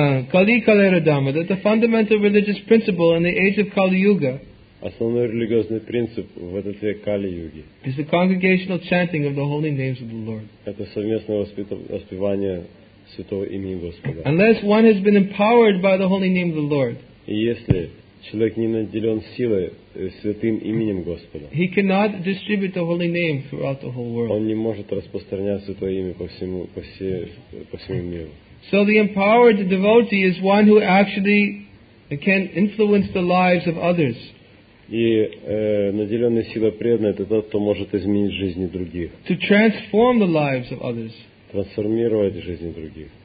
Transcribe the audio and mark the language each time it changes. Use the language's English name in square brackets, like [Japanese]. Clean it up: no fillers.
[Bangla] Kali kalera dama, [English] that the fundamental religious principle in the age of Kali Yuga. [Russian] Основной религиозный принцип в этот век Кали Юги. [English] Is the congregational chanting of the holy names of the Lord. [Russian] Это совместное воспевание святого имени Господа. [English] Unless one has been empowered by the holy name of the Lord. [Russian] Если человек не наделен силой святым именем Господа. [English] He cannot distribute the holy name throughout the whole world. [Russian] Он не может распространять святое имя по всему миру. [English] So the empowered devotee is one who actually can influence the lives of others. [Russian] И наделенный силой преданный — это тот, кто может изменить жизни других. [English] To transform the lives of others. [Russian] Трансформировать жизни других.